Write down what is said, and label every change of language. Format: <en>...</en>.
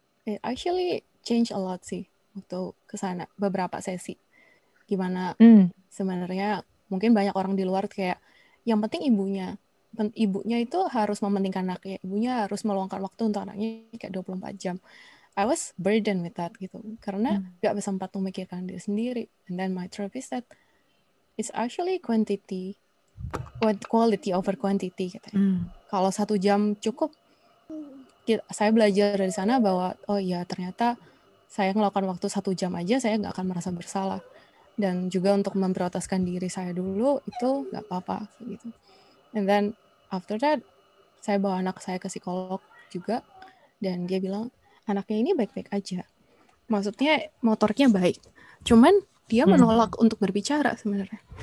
<en>It actually changed a lot sih</en> <id>waktu kesana, beberapa sesi. Gimana sebenarnya mungkin banyak orang di luar kayak, yang penting ibunya. Ibunya itu harus mementingkan anaknya. Ibunya harus meluangkan waktu untuk anaknya kayak 24 jam.</id> <en>I was burdened with that</en> <id>gitu. Karena gak sempat memikirkan diri sendiri.</id> <en>And then my therapist said, it's actually quantity over quantity.</en> <id>Kalau 1 jam cukup, saya belajar dari sana bahwa oh iya ternyata saya ngeluangkan waktu 1 jam aja saya nggak akan merasa bersalah, dan juga untuk memprioritaskan diri saya dulu itu nggak apa-apa gitu.</id> <en>And then after that</en> <id>saya bawa anak saya ke psikolog juga, dan dia bilang anaknya ini baik-baik aja, maksudnya motoriknya baik, cuman dia menolak untuk berbicara sebenarnya.</id>